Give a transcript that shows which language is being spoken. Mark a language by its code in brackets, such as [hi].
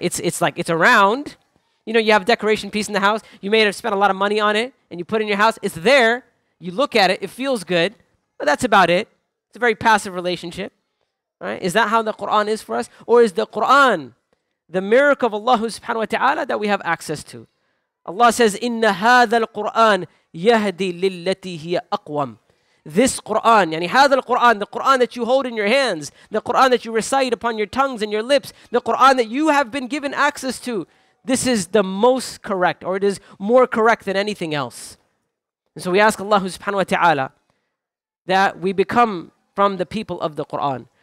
[en] It's like, it's around. You know, you have a decoration piece in the house. You may have spent a lot of money on it and you put it in your house. It's there. You look at it. It feels good. But that's about it. It's a very passive relationship. Right? Is that how the Quran is for us? Or is the Quran the miracle of Allah subhanahu wa ta'ala that we have access to? Allah says, [ar] إِنَّ هَذَا الْقُرْآنِ يَهْدِي لِلَّتِي هِيَ أَقْوَمُ. [en] This Quran, yani [ar] هذا القرآن, [en] the Quran that you hold in your hands, the Quran that you recite upon your tongues and your lips, the Quran that you have been given access to, this is the most correct, or it is more correct than anything else. And so we ask Allah subhanahu wa ta'ala that we become from the people of the Quran.